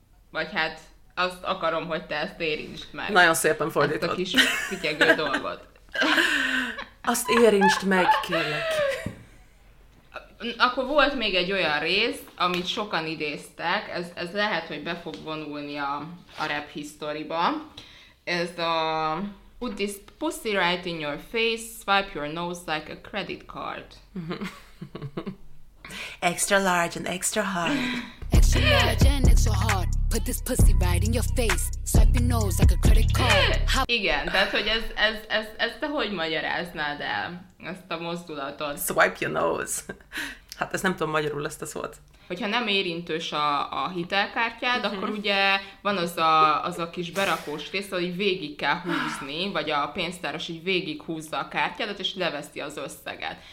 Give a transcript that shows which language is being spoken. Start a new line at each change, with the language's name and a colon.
Hungarian: Vagy hát azt akarom, hogy te ezt érintsd meg. Nagyon szépen fordítod. Ezt a kis fityegő dolgot. Azt érintsd meg, kérlek. Akkor volt még egy olyan rész, amit sokan idéztek, ez lehet, hogy be fog vonulni a rap historiba. Ez a
English: put this pussy right in your face, swipe your nose like a credit card. Extra large and extra hard. Extra large and extra hard. Put this pussy right in your face, swipe your nose like a credit card.
Hungarian: Igen, tehát hogy ez te hogy magyaráznád el ezt a mozdulatot?
English: Swipe your nose.
Hungarian: Hát ez nem tudom magyarul ezt a szót. Hogyha nem érintős a hitelkártyád, uh-huh. akkor ugye van az a kis berakós rész, hogy végig kell húzni, vagy a pénztáros így végig húzza a kártyádat, és leveszi az összeget.